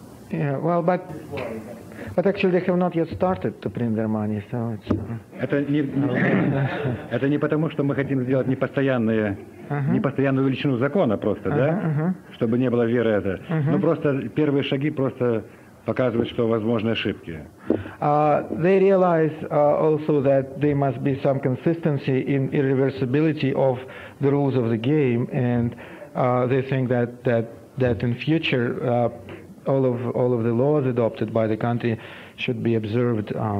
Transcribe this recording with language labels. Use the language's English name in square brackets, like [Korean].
[English] Yeah, well, but actually they have not yet started to print their money, so it's... [Russian] Это не потому, что мы хотим сделать непостоянные... Uh-huh. Непостоянную величину закона просто, uh-huh, да? Uh-huh. Чтобы не было веры это. Uh-huh. Но просто первые шаги просто показывают, что возможны ошибки. [English] They realize also that there must be some consistency in irreversibility of the rules of the game, and they think that in future all of the laws adopted by the country should be observed.